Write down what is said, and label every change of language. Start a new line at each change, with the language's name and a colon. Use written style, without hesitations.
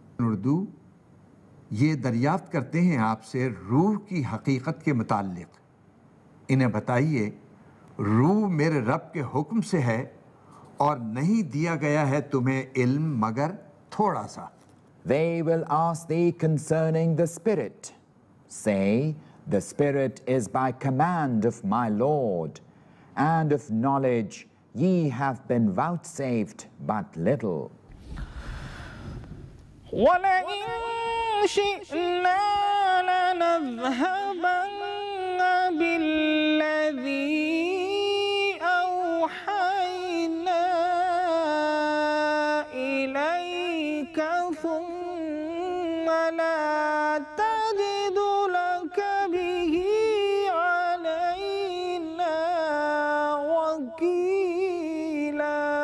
Urdu: اردو یہ دریافت کرتے ہیں آپ سے روح کی حقیقت کے متعلق، انہیں بتائیے روح میرے رب کے حکم سے ہے اور نہیں دیا گیا ہے تمہیں علم مگر تھوڑا سا.
English: They will ask thee concerning the spirit. Say, the spirit is by command of my Lord, and of knowledge ye have been vouchsafed but little.
Arabic: شئنا لنذهبن بالذي أوحينا إليك ثم لا تجد لك به علينا وكيلا.